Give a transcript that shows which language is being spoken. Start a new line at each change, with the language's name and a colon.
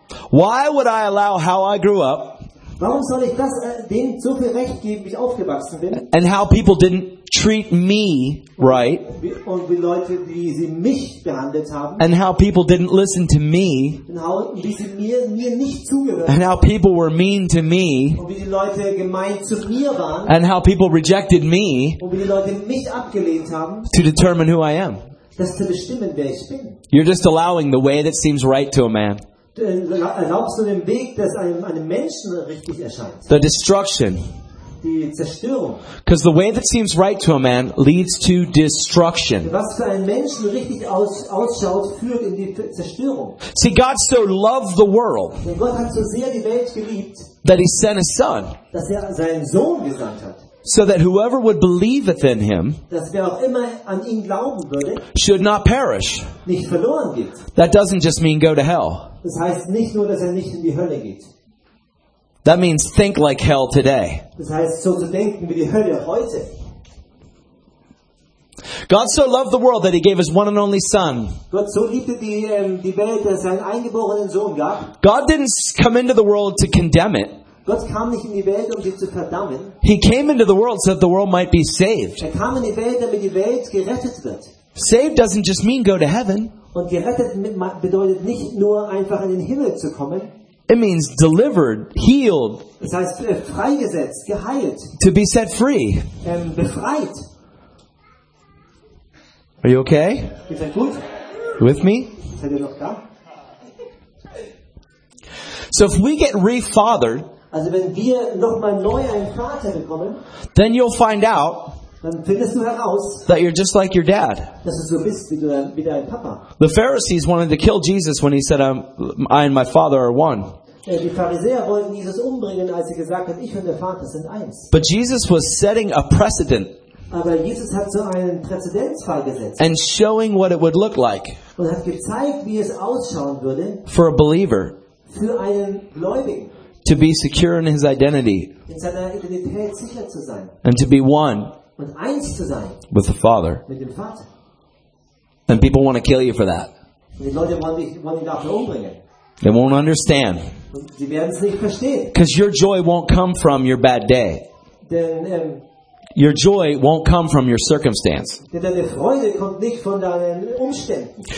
English: Why would I allow how I grew up?
German: Warum soll ich das denen so viel Recht geben, wie ich aufgewachsen bin?
English: And how people didn't treat me right?
German: Und wie Leute, wie sie mich behandelt haben?
English: And how people didn't listen to me?
German: Und how, wie sie mir nicht zugehört haben?
English: And how people were mean to me?
German: Und wie die Leute gemein zu mir waren?
English: And how people rejected me?
German: Und wie die Leute mich abgelehnt haben?
English: To determine who I am.
German: Das zu bestimmen, wer ich bin.
English: You're just allowing the way that seems right to a man.
German: Erlaubst du den Weg, dass einem Menschen richtig erscheint?
English: The destruction.
German: Die Zerstörung.
English: Because the way that seems right to a man leads to destruction.
German: Was für einen Menschen richtig ausschaut, führt in die Zerstörung.
English: See, God so loved the world.
German: Denn Gott hat so sehr die Welt geliebt.
English: That he sent his son.
German: Dass er seinen Sohn gesandt hat.
English: So that whoever would believeth in him,
German: dass wer auch immer an ihn glauben würde,
English: should not perish.
German: Nicht verloren geht.
English: That doesn't just mean go to hell.
German: Das heißt nicht nur, dass er nicht in die Hölle geht.
English: That means think like hell today.
German: Das heißt, so zu denken wie die Hölle heute.
English: God so loved the world that he gave his one and only son.
German: Gott so liebte die Welt, dass er seinen eingeborenen Sohn gab.
English: God didn't come into the world to condemn it.
German: Gott kam nicht in die Welt, um sie zu verdammen.
English: He came into the world so that the world might be saved.
German: Er kam in die Welt, damit die Welt gerettet wird.
English: Saved doesn't just mean go to heaven.
German: Und gerettet bedeutet nicht nur einfach in den Himmel zu kommen.
English: It means delivered, healed.
German: Das heißt freigesetzt, geheilt.
English: To be set free.
German: Befreit.
English: Are you okay?
German: Ist er gut?
English: With me?
German: Seid ihr noch da?
English: So if we get re-fathered,
German: also wenn wir nochmal neu einen Vater bekommen,
English: then you'll find out,
German: dann findest du heraus,
English: that you're just like your dad.
German: Dass du so bist wie dein Papa.
English: The Pharisees wanted to kill Jesus when he said, I and my Father are one.
German: Die Pharisäer wollten Jesus umbringen, als er gesagt hat, ich und der Vater sind eins.
English: But Jesus was setting a precedent.
German: Aber Jesus hat so einen Präzedenzfall gesetzt.
English: And showing what it would look like.
German: Und hat gezeigt, wie es ausschauen würde.
English: For a believer.
German: Für einen Gläubigen.
English: To be secure in his identity.
German: In seiner Identität sicher zu sein.
English: And to be one.
German: Und eins zu sein.
English: With the Father.
German: Mit dem Vater.
English: And people want to kill you for that.
German: Und die Leute wollen dich dafür umbringen.
English: They won't understand.
German: Und sie werden es nicht verstehen.
English: Because your joy won't come from your bad day.
German: Denn,
English: your joy won't come from your circumstance.
German: Denn deine Freude kommt nicht von deinen Umständen.